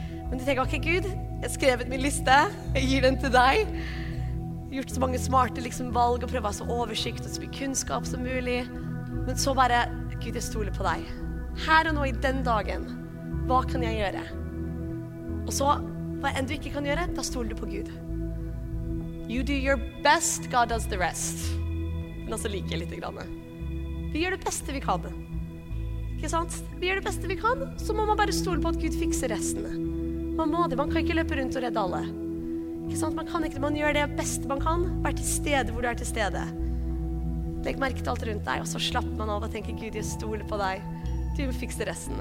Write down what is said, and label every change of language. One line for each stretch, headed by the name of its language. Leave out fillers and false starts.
Norwegian: Men du tenker, ok Gud, jeg har skrevet min liste, jeg gir den til deg. Gjort så mange smarte liksom, valg og prøvd å ha så oversikt og så mye kunnskap som mulig. Men så bare, Gud, jeg stoler på deg. Her og nå i den dagen, hva kan jeg gjøre? Og så, hva enn du ikke kan gjøre, da stoler du på Gud.
English: You do your best, God does the rest.
Norwegian: Men altså liker jeg litt grann. Vi gjør det beste vi kan. Ikke sant? Vi gjør det beste vi kan, så må man bare stole på at Gud fikser resten. Man må det. Man kan ikke løpe rundt og redde alle. Ikke sant? Man kan ikke. Man gjør det beste man kan. Vær til stede hvor du til stede. Legg merke til alt rundt deg, og så slapper man av og tenker, Gud, jeg stoler på deg. Du må fikse resten.